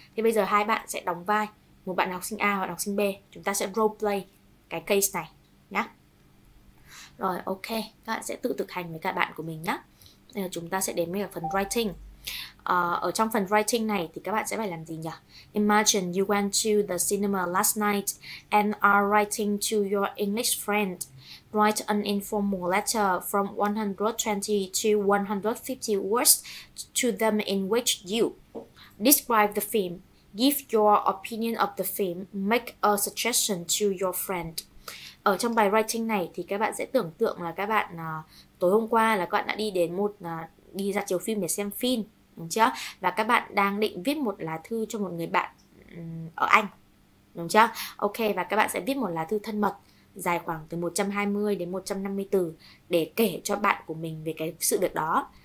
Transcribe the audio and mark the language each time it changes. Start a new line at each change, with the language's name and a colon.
Vietnamese: Thế bây giờ hai bạn sẽ đóng vai một bạn học sinh A và học sinh B. Chúng ta sẽ role play cái case này nhá. Rồi, ok. Các bạn sẽ tự thực hành với các bạn của mình nhá. Bây giờ chúng ta sẽ đến với phần writing. Ở trong phần writing này thì các bạn sẽ phải làm gì nhỉ?
English: Imagine you went to the cinema last night and are writing to your English friend. Write an informal letter from 120 to 150 words to them in which you describe the film, give your opinion of the film, make a suggestion to your friend.
Vietnamese: Ở trong bài writing này thì các bạn sẽ tưởng tượng là các bạn tối hôm qua là các bạn đã đi đến một đi ra chiếu phim để xem phim, đúng chưa? Và các bạn đang định viết một lá thư cho một người bạn ở Anh, đúng chưa? Ok, và các bạn sẽ viết một lá thư thân mật dài khoảng từ 120 đến 150 từ để kể cho bạn của mình về cái sự việc đó.